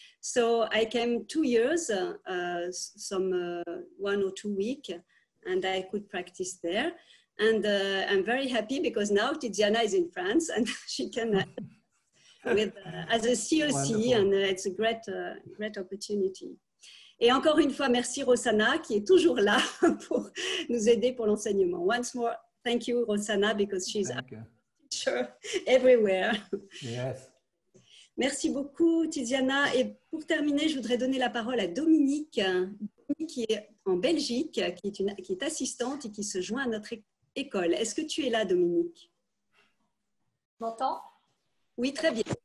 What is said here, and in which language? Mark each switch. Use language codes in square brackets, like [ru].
[en] So I came 2 years, one or 2 weeks, and I could practice there. And I'm very happy because now Tiziana is in France and she can as a COC. Wonderful. And it's a great, great opportunity. [fr] Et encore une fois, merci Rosana qui est toujours là pour nous aider pour l'enseignement. [en] Once more, thank you Rosana, because she's everywhere. Yes. [fr] Merci beaucoup Tiziana, et pour terminer je voudrais donner la parole à Dominique qui est en Belgique, qui est assistante et qui se joint à notre école. Est-ce que tu es là Dominique? Tu m'entends? Oui, très bien.